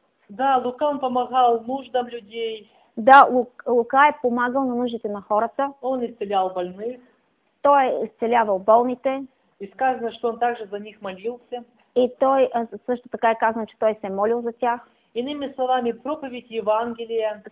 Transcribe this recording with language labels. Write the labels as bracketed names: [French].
[Russian] Да, Лука он помогал нуждам людей. [Bulgarian] Да, Лука е помагал на нуждите на хората. [Russian] Он исцелял больных. [Bulgarian] Той е исцелявал болните. [Russian] И сказано, что он также за них молился. [Bulgarian] И той също така е казано, че той се молил за тях. [Russian] Иными словами, проповедь Евангелия.